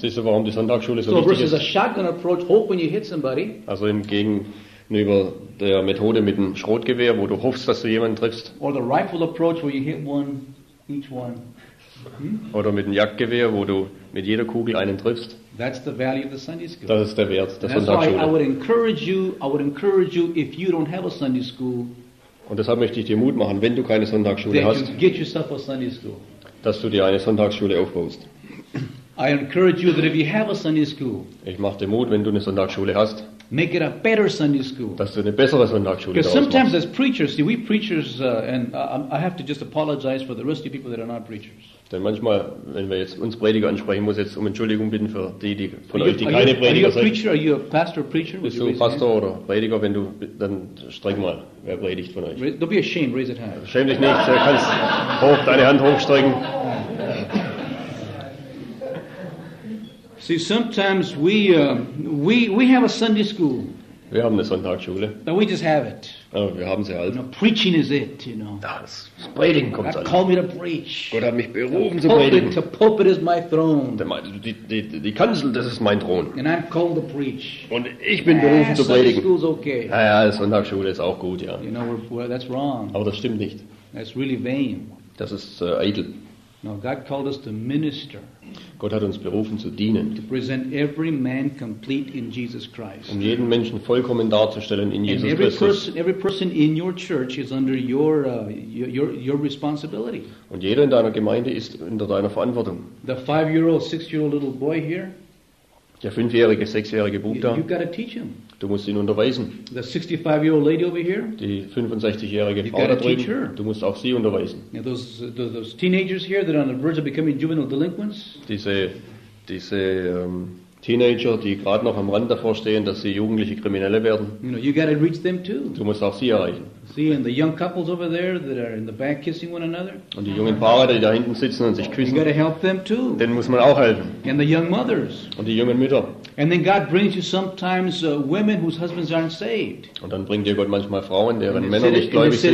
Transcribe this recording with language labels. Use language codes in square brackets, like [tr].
[de] Siehst du, warum die Sonntagsschule so, so wichtig ist? [en] Versus a shotgun approach, hope when you hit somebody. [de] Also im gegenüber der Methode mit dem Schrotgewehr, wo du hoffst, dass du jemanden triffst. [en] Or the rifle approach, where you hit one each one. [de] Oder mit dem Jagdgewehr, wo du mit jeder Kugel einen triffst. [en] That's the value of the Sunday school. [de] Das ist der Wert der Sonntagsschule. [en] I would encourage you, if you don't have a Sunday school. [de] Und deshalb möchte ich dir Mut machen, wenn du keine Sonntagsschule hast. [en] You get yourself a Sunday school. [de] Dass du dir eine Sonntagsschule aufbaust. [en] I encourage you that if you have a Sunday school. [de] Ich mache dir Mut, wenn du eine Sonntagsschule hast. [en] Make it a better Sunday school. [de] Dass du eine bessere Sonntagsschule daraus machst. [en] Because sometimes as preachers, see, we preachers, and I have to just apologize for the rest of the people that are not preachers. [de] Denn manchmal, wenn wir jetzt uns Prediger ansprechen, muss ich jetzt um Entschuldigung bitten für die, die von euch, die keine Prediger sind. [en] Are you a pastor or preacher? [de] Bist du Pastor oder Prediger? Wenn du, dann streck mal, wer predigt von euch. [en] Don't be ashamed, raise it high. [de] Schäm dich nicht, du kannst hoch deine Hand hochstrecken. [en] See, sometimes we have a Sunday school. [de] Wir haben eine Sonntagsschule. [en] But we just have it. [de] Oh, wir haben sie halt. [en] You know, preaching is it, you know. [de] Das Predigen kommt [en] God Called me to preach. [de] Gott hat mich berufen zu predigen. [en] The pulpit is my throne. [de] Die Kanzel, das ist mein Thron. [en] And I'm called to preach. [de] Und ich bin berufen zu predigen. [en] Sunday school's okay. [de] Ja, die Sonntagsschule ist auch gut, ja. [en] You know, that's wrong. [de] Aber das stimmt nicht. [en] That's really vain. [de] Das ist eitel. [en] No, God called us to minister. [de] Gott hat uns berufen zu dienen. [en] To present every man complete in Jesus Christ. [de] Um jeden Menschen vollkommen darzustellen in Jesus Christus. [en] And every person in your church is under your responsibility. [de] Und jeder in deiner Gemeinde ist unter deiner Verantwortung. [en] The 5-year-old, 6-year-old little boy here. [de] Der 5-jährige, 6-jährige Bub da. [en] You've got to teach him. [de] Du musst ihn unterweisen. [en] The 65-year-old lady over here. [de] Die 65-jährige Frau da drüben. Du musst auch sie unterweisen. [en] Yeah, those teenagers here that are on the verge of becoming juvenile delinquents. [de] Diese Teenager, die gerade noch am Rand davor stehen, dass sie jugendliche Kriminelle werden. [en] You know, you got to reach them too. [de] Du musst auch sie erreichen. [en] See, and the young couples over there that are in the back kissing one another. [de] Und die jungen Paare, die da hinten sitzen und sich küssen. [en] You got to help them too. [de] Denen muss man auch helfen. [en] And the young mothers. [de] Und die jungen Mütter. [en] And then God brings you sometimes women whose husbands aren't saved. [de] Und dann bringt dir Gott manchmal Frauen, deren Männer nicht gläubig sind.